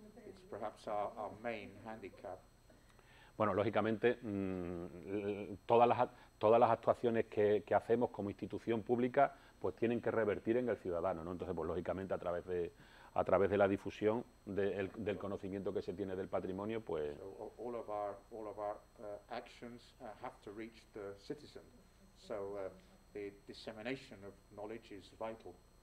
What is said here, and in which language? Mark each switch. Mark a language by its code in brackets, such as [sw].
[en] It's perhaps our main handicap. [es] Bueno, lógicamente, todas las actuaciones que hacemos como institución pública, pues tienen que revertir en el ciudadano, ¿no? Entonces, pues lógicamente, a través de la difusión del conocimiento que se tiene del patrimonio, pues... [en] So all of our actions have to reach the citizen. So the dissemination of knowledge is vital.